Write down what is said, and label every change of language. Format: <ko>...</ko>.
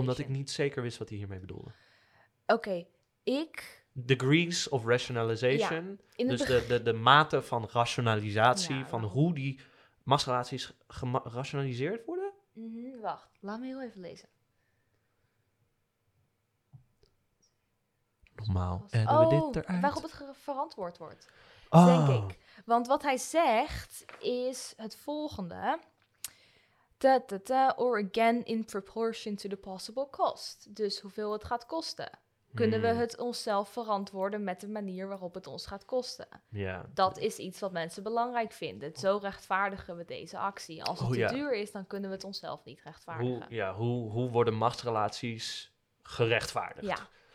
<nl>Omdat ik niet zeker wist wat hij hiermee bedoelde. Oké, ik.</nl> <en>Degrees of rationalization.</en> <nl>Ja, dus de mate van rationalisatie, ja, van hoe die machtsrelaties gerationaliseerd worden. Wacht, laat me heel even lezen. Normaal editen we dit eruit. Waarop het verantwoord wordt, denk ik. Want wat hij zegt is het volgende.</nl> <en>Or again in proportion to the possible cost.</en> <nl>Dus hoeveel het gaat kosten. Kunnen we het onszelf verantwoorden met de manier waarop het ons gaat kosten? Ja. Dat is iets wat mensen belangrijk vinden. Zo rechtvaardigen we deze actie. Als het te duur is, dan kunnen we het onszelf niet rechtvaardigen. Hoe worden machtsrelaties gerechtvaardigd?</nl>